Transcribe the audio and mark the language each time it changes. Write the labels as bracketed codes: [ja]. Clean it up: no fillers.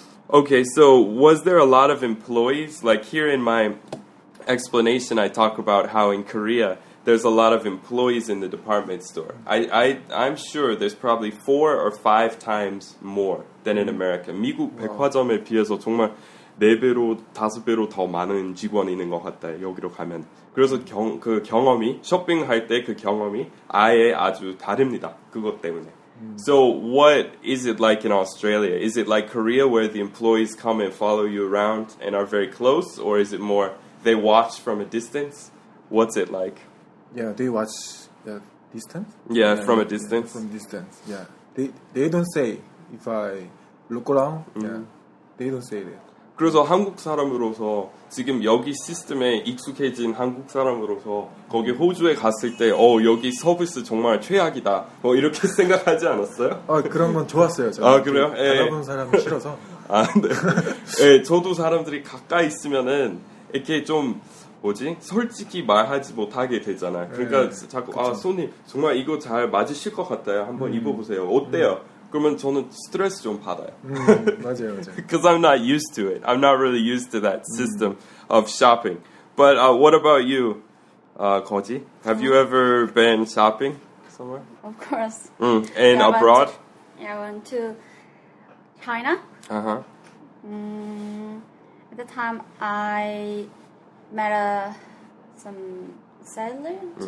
[en] Okay, so was there a lot of employees? Like here in my explanation, I talk about how in Korea there's a lot of employees in the department store. I'm sure there's probably 4 or 5 times more than in America. [ko] 미국 백화점에 비해서 정말 4배로 5배로 더 많은 직원이 있는 것 같다. 여기로 가면. 그래서 그 경험이 쇼핑할 때 그 경험이 아예 아주 다릅니다. 그것 때문에. [en] So what is it like in Australia? Is it like Korea where the employees come and follow you around and are very close, or is it more they watch from a distance? What's it like? Yeah, they watch distance. Yeah, from a distance. Yeah, from distance. Yeah, they don't say if I look around. Mm-hmm. Yeah, they don't say that. [ko] 그래서 한국 사람으로서 지금 여기 시스템에 익숙해진 한국 사람으로서 거기 호주에 갔을 때 어 여기 서비스 정말 최악이다 뭐 이렇게 생각하지 않았어요? 아 그런 건 좋았어요. 아 그래요? 예. 다가본 사람 싫어서. 아 네. 예, 저도 사람들이 가까이 있으면은 이렇게 좀 뭐지? 솔직히 말하지 못하게 되잖아. 그러니까 네, 자꾸 그쵸. 아 손님 정말 이거 잘 맞으실 것 같아요. 한번 입어보세요. 어때요? 그러면 저는 스트레스 좀 받아요. 맞아요, 맞아요. [en] Because I'm not used to it. I'm not really used to that system of shopping. But what about you, 거지? Have you ever been shopping somewhere? Of course. And yeah, abroad? I went to China. At the time, I met some sailor.